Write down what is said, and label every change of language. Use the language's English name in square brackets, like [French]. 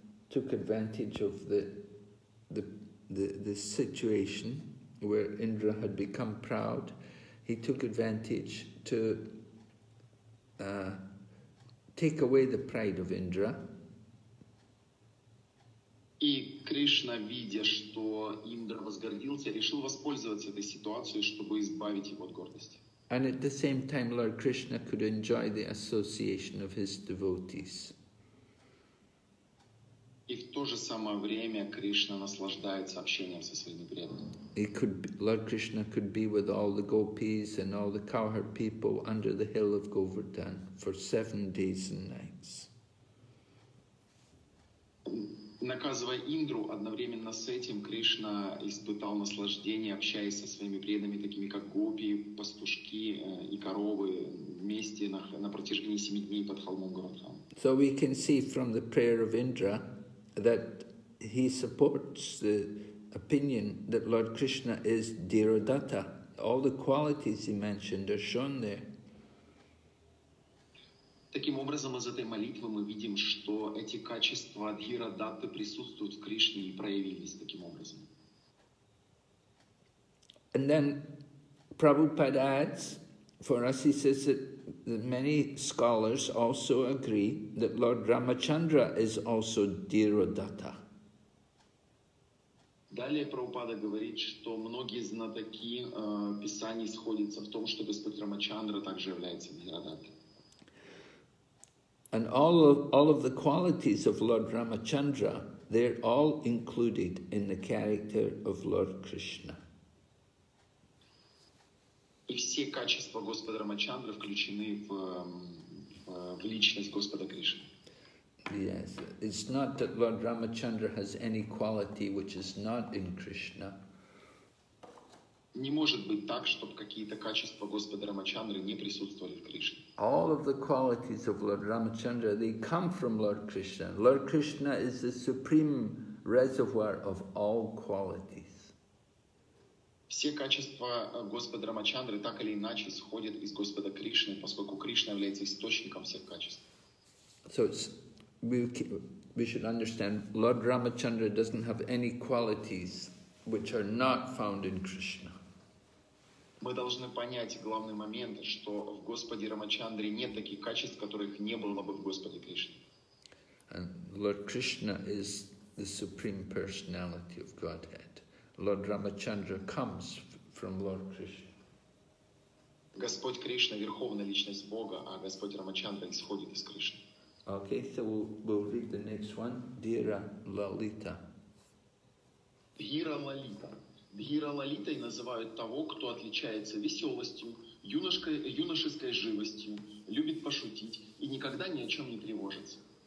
[English] took advantage of the situation where Indra had become proud. He took advantage to take away the pride of Indra. [Russian] И Кришна, видя, что Индра возгордился, решил воспользоваться этой ситуацией, чтобы избавить его от гордости. [English] And at the same time, Lord Krishna could enjoy the association of his devotees. [Russian] И в то же самое время Кришна наслаждается общением со своими преданными. [English] Lord Krishna could be with all the gopis and all the cowherd people under the hill of Govardhan for 7 days and nights. [Russian] Наказывая Индру, одновременно с этим Кришна испытал наслаждение, общаясь со своими преданными, такими как гопи, пастушки и коровы, вместе на протяжении 7 дней под холмом Говардхан. [English] So we can see from the prayer of Indra that he supports the opinion that Lord Krishna is Dhirodatta. All the qualities he mentioned are shown there. [Russian] Таким образом, из этой молитвы мы видим, что эти качества Дхирадатты присутствуют в Кришне и проявились таким образом. [English] And then Prabhupada adds, for us he says that many scholars also agree that Lord Ramachandra is also Dhirodatta. [Russian] Далее Прабхупада говорит, что многие знатоки писаний сходятся в том, что Господь Рамачандра также является Дхирадаттой. [English] And all of the qualities of Lord Ramachandra, they're all included in the character of Lord Krishna. [Russian] И все качества Господа Рамачандры включены в личность Господа Кришны. [English] Yes, it's not that Lord Ramachandra has any quality which is not in Krishna. [Russian] Не может быть так, чтобы какие-то качества Господа Рамачандры не присутствовали в Кришне. [English] All of the qualities of Lord Ramachandra, they come from Lord Krishna. Lord Krishna is the supreme reservoir of all qualities. [Russian] Все качества Господа Рамачандры так или иначе сходят из Господа Кришны, поскольку Кришна является источником всех качеств. [English] So we should understand Lord Ramachandra doesn't have any qualities which are not found in Krishna. [Russian] Мы должны понять главный момент, что в Господе Рамачандре нет таких качеств, которых не было бы в Господе Кришне. [English] And Lord Krishna is the supreme personality of Godhead. Lord Ramachandra comes from Lord Krishna. [Russian] Господь Кришна — верховная личность Бога, а Господь Рамачандра исходит из Кришны. [English] Okay, so we'll read the next one. Dhira Lalita. Dhira Lalita. [Russian] Дхира Лалитой называют того, кто отличается веселостью, юношеской живостью, любит пошутить и никогда ни о чем не тревожится.